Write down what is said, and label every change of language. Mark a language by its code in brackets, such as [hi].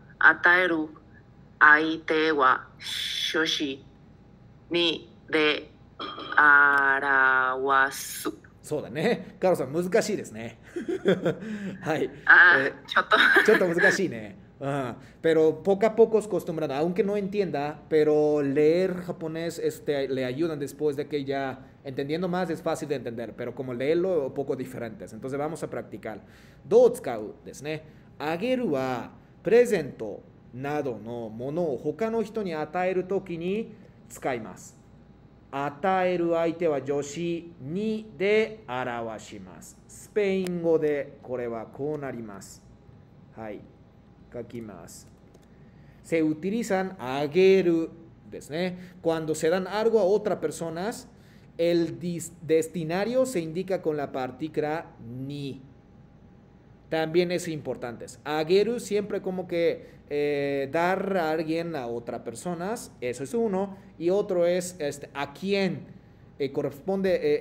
[ja] 与える相手は、初心にで表す。そうだね、カロさん、難しいですね。はい、あ、ちょっとちょっと難しいね。 [es] Pero poco a poco es acostumbrado, aunque no entienda, pero leer japonés le ayudan después de que ya entendiendo más es fácil de entender, pero como leerlo un poco diferente. Entonces vamos a practicar. [ja] Do tsukau desu ne. Ageru wa presento nado no mono o hoka no hito ni ataeru toki ni tsukaimasu. 与える相手は助詞にで表します。スペイン語でこれはこうなります。はい、書きます。 [es] Se utilizan あげるですね。 Cuando se dan algo a otra persona, el destinario se indica con la partícula ni. También es importante. A geru siempre como que dar a alguien a otra persona. Eso es uno. Y otro es este, a quién corresponde.